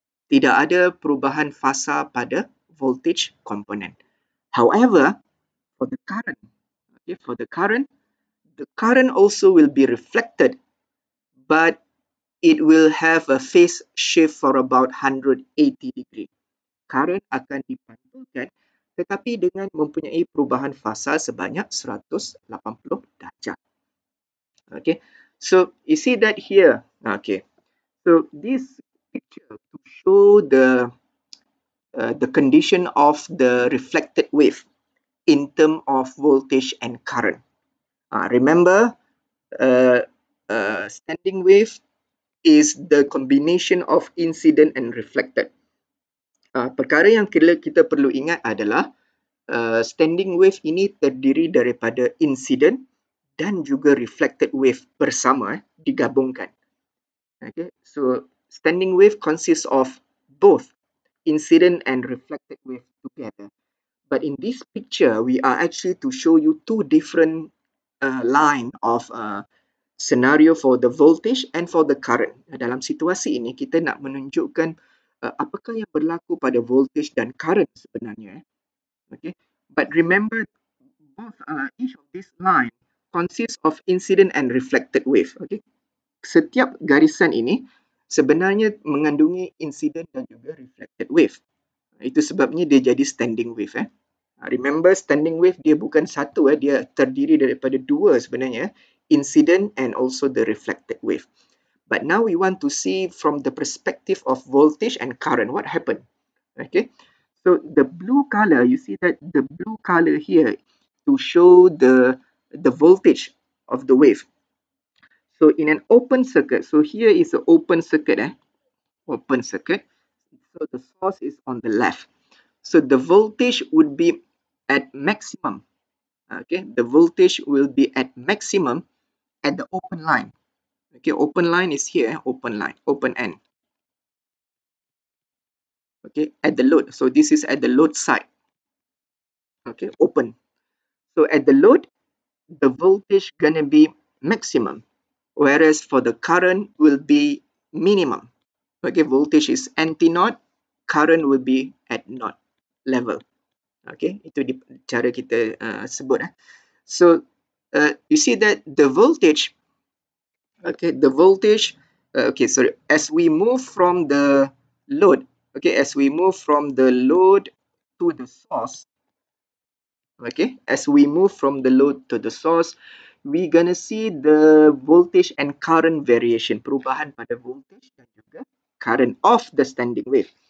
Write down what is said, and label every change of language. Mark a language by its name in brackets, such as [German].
[Malay] Tidak ada perubahan fasa pada voltage component. [English] However, for the current, okay, for the current also will be reflected, but it will have a phase shift for about 180 degree. [Malay] Current akan dipantulkan, tetapi dengan mempunyai perubahan fasa sebanyak 180 darjah. [English] Okay, so you see that here. Okay, so this picture to show the condition of the reflected wave in term of voltage and current. Remember, standing wave is the combination of incident and reflected. [Malay] Perkara yang kita perlu ingat adalah standing wave ini terdiri daripada incident dan juga reflected wave bersama, digabungkan. [English] Okay, so standing wave consists of both incident and reflected wave together. But in this picture, we are actually to show you two different line of scenario for the voltage and for the current. [Malay] Dalam situasi ini, kita nak menunjukkan apakah yang berlaku pada voltage dan current sebenarnya. [English] Okay. But remember, both each of this line consists of incident and reflected wave. [Malay] Okay. Setiap garisan ini sebenarnya mengandungi incident dan juga reflected wave. Itu sebabnya dia jadi standing wave. Eh. Remember, standing wave dia bukan satu. Eh. Dia terdiri daripada dua sebenarnya. [English] Incident and also the reflected wave. But now we want to see from the perspective of voltage and current. What happened? Okay. So the blue color, you see that the blue color here to show the voltage of the wave. So in an open circuit, so here is an open circuit, open circuit. So the source is on the left. So the voltage would be at maximum. Okay, the voltage will be at maximum at the open line. Okay, open line is here, open line, open end. Okay, at the load. So this is at the load side. Okay, open. So at the load, the voltage gonna be maximum. Whereas for the current will be minimum. Okay, voltage is anti-node, current will be at node level. [Malay] Okay, itu cara kita sebut. Eh. [English] So, you see that the voltage, as we move from the load, as we move from the load to the source, we're going to see the voltage and current variation, [Malay] perubahan pada voltage dan juga current [English] of the standing wave.